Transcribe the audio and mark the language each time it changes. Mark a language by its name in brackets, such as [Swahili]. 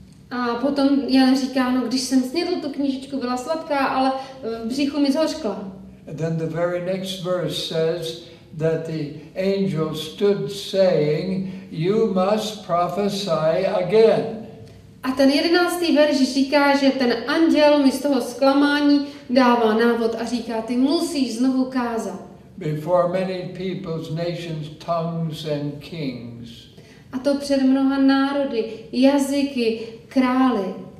[Czech] A potom Jan říká, no když jsem snědl tu knížičku, byla sladká, ale v břichu mi zhořkla. [English] Then the very next verse says that the angel stood saying, you must prophesy again. [Czech] A ten 11. verš říká, že ten anděl mi z toho zklamání dává návod a říká, ty musíš znovu kázat. [English] Before many peoples, nations, tongues and kings. [Czech] A to před mnoha národy, jazyky, krály.